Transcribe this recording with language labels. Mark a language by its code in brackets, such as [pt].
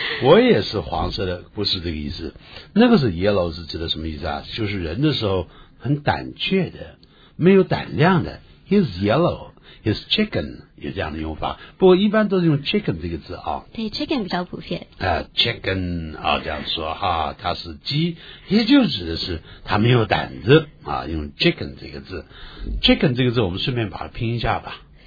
[zh] 我也是黄色的，不是这个意思。那个是 yellow 是指的什么意思啊？就是人的时候很胆怯的，没有胆量的。 [en] He's yellow, he's chicken, [zh] 有这样的用法。不过一般都是用 chicken 这个字啊。对 ,chicken 比较普遍。 Chicken, 啊这样说哈、啊、他是鸡也就指的是他没有胆子啊用 chicken 这个字。 Chicken 这个字我们顺便把它拼一下吧。